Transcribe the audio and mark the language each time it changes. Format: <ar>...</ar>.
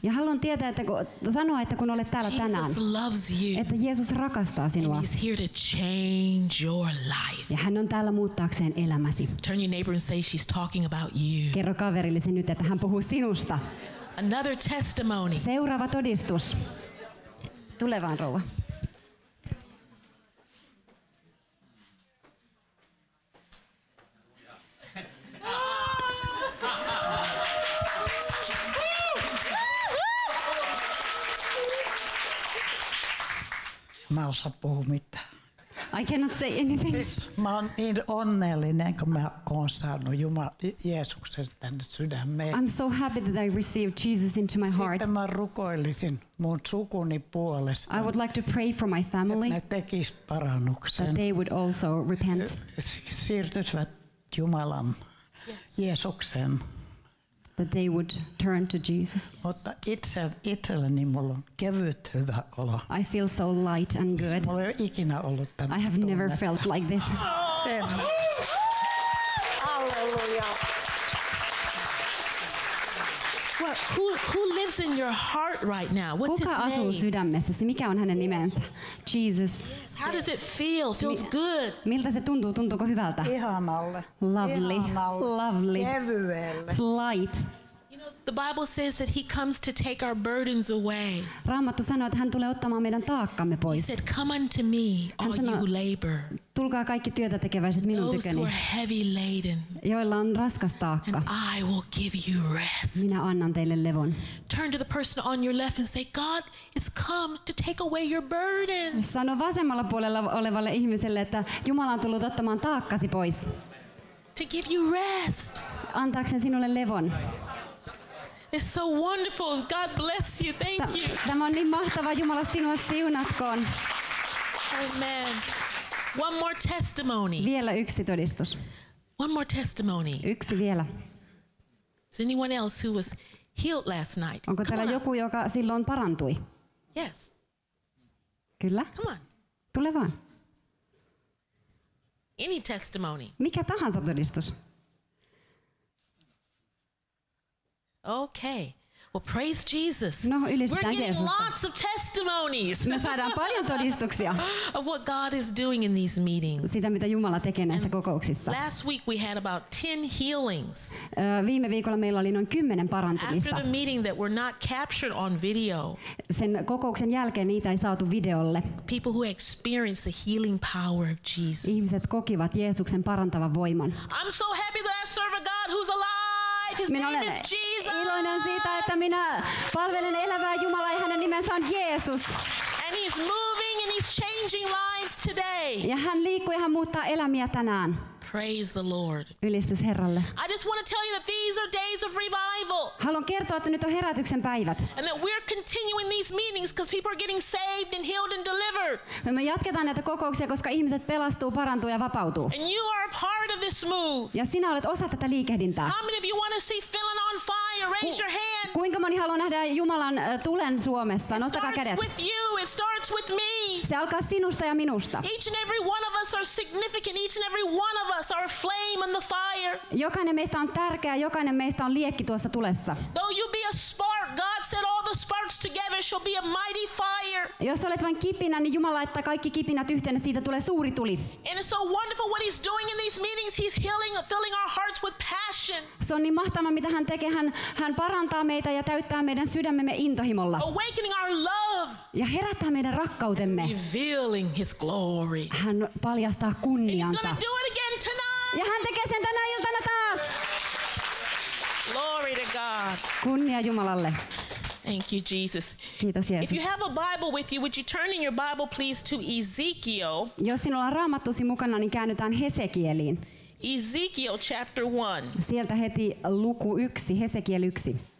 <fi>Ja haluan tietää, että kun olet täällä tänään, että Jeesus rakastaa sinua.</fi> <en>He's here to change your life.</en> <fi>Ja hän on täällä muuttaakseen elämäsi.</fi> <en>Turn your neighbor and say she's talking about you.</en> <fi>Kerro kaverillesi nyt, että hän puhuu sinusta.</fi> <en>Another testimony.</en> <fi>Seuraava todistus. Tule vaan, rouva. Mä en osaa puhua mitään.</fi> <en>I cannot say anything.</en> <fi>Siis mä oon niin onnellinen, kun mä oon saanut Jeesuksen tänne sydämeen.</fi> <en>I'm so happy that I received Jesus into my heart.</en> <fi>Sitten mä rukoilisin mun sukuni puolesta.</fi> <en>I would like to pray for my family.</en> <fi>Että ne tekis parannuksen.</fi> <en>That they would also repent.</en> <fi>Siirtyisivät Jumalan, Jeesuksen.</fi> <en>That they would turn to Jesus.</en> <fi>Mutta itselleni mulla on kevyt hyvä olo.</fi> <en>I feel so light and good.</en> <fi>Mulla ei ole ikinä ollut tämmöinen.</fi> <en>I have never felt like this.</en> <fi>En.</fi> <en>Hallelujah. who lives in your heart right now? What's</en> <fi>kuka</fi> <en>his</en> <fi>asuu</fi> <en>name?</en> <fi>Sydämessäsi? Mikä on hänen nimensä? Jesus.</fi> <en>How does it feel? Feels good.</en> <fi>Miltä se tuntuu? Tuntuuko hyvältä? Ihanalle.</fi> <en>Lovely.</en> <fi>Ihanalle.</fi> <en>Lovely.</en> <fi>Kevyelle.</fi> <en>It's light. The Bible says that he comes to take our burdens away.</en> <fi>Raamattu sanoo, että hän tulee ottamaan meidän taakkamme pois.</fi> <en>He said, "Come unto me, all</en> <fi>sanoo,</fi> <en>you labor."</en> <fi>Tulkaa kaikki työtä tekeväiset minun tyköni.</fi> <en>Those who are heavy laden.</en> <fi>Joilla on raskas taakka.</fi> <en>And I will give you rest.</en> <fi>Minä annan teille levon.</fi> <en>Turn to the person on your left and say, "God is come to take away your burden."</en> <fi>Sano vasemmalla puolella olevalle ihmiselle, että Jumala on tullut ottamaan taakkasi pois.</fi> <en>To give you rest.</en> <fi>Antaakseen sinulle levon.</fi> <en>It's so wonderful. God bless you. Thank you.</en> <fi>Tämä on niin mahtavaa. Jumala sinua siunatkoon.</fi> <en>Amen. One more testimony.</en> <fi>Vielä yksi todistus.</fi> <en>One more testimony.</en> <fi>Yksi vielä.</fi> <en>Is anyone else who was healed last night?</en> <fi>Onko täällä joku, joka silloin parantui?</fi> <en>Yes.</en> <fi>Kyllä.</fi> <en>Come on.</en> <fi>Tule vaan.</fi> <en>Any testimony.</en> <fi>Mikä tahansa todistus.</fi> <en>Okay. Well, praise Jesus.</en> <fi>No, ylistetään Jeesusta.</fi> <en>We're getting lots of testimonies.</en> <fi>Me saadaan paljon todistuksia.</fi> <en>Of what God is doing in these meetings.</en> <fi>Siitä, mitä Jumala tekee näissä kokouksissa.</fi> <en>Last week we had about 10 healings.</en> <fi>Viime viikolla meillä oli noin 10 parantumista.</fi> <en>After the meeting that were not captured on video.</en> <fi>Sen kokouksen jälkeen niitä ei saatu videolle.</fi> <en>People who experienced the healing power of Jesus.</en> <fi>Ihmiset kokivat Jeesuksen parantavan voiman.</fi> <en>I'm so happy that I serve a God who's alive.</en> <fi>Minä olen iloinen siitä, että minä palvelen elävää Jumalaa ja hänen nimensä on Jeesus.</fi> <en>And he's moving and he's changing lives today.</en> <fi>Ja hän liikkuu ja hän muuttaa elämiä tänään.</fi> <en>Praise the Lord.</en> <fi>Ylistys Herralle.</fi> <en>I just want to tell you that these are days of revival.</en> <fi>Haluan kertoa, että nyt on herätyksen päivät.</fi> <en>And that we're continuing these meetings because people are getting saved and healed and delivered.</en> <fi>Me jatketaan näitä kokouksia, koska ihmiset pelastuu, parantuu ja vapautuu.</fi> <en>And you are a part of this move.</en> <fi>Ja sinä olet osa tätä liikehdintää.</fi> <en>How many of you want to see Finland on fire? Raise your hand.</en> <fi>Kuinka moni haluaa nähdä Jumalan tulen Suomessa? Nostakaa kädet.</fi> <en>It starts with you. It starts with me.</en> <fi>Se alkaa sinusta ja minusta.</fi> <en>Each and every one of us are significant. Each and every one of us are a flame in the fire.</en> <fi>Jokainen meistä on tärkeä, jokainen meistä on liekki tuossa tulessa.</fi> <en>Though you be a spark, God said all the sparks together shall be a mighty fire.</en> <fi>Jos olet vain kipinä, niin Jumala laittaa kaikki kipinät yhteen, siitä tulee suuri tuli.</fi> <en>And it's so wonderful what he's doing in these meetings. He's healing, filling our hearts with passion.</en> <fi>Se on niin mahtavaa, mitä hän tekee. Hän parantaa meitä ja täyttää meidän sydämemme intohimolla.</fi> <en>Awakening our love.</en> <fi>Ja herättää meidän rakkautemme.</fi> <en>Revealing his glory.</en> <fi>Hän paljastaa kunniansa.</fi> <en>And he's gonna do it again.</en> <fi>Ja hän tekee sen tänä iltana taas.</fi> <en>Glory to God.</en> <fi>Kunnia Jumalalle.</fi> <en>Thank you Jesus.</en> <fi>Kiitos Jeesus.</fi> <en>If you have a Bible with you, would you turn in your Bible please to Ezekiel?</en> <fi>Jos sinulla on Raamattusi mukana, niin käännytään Hesekieliin.</fi> <en>Ezekiel chapter 1.</en> <fi>Sieltä heti luku 1, Hesekiel 1.</fi>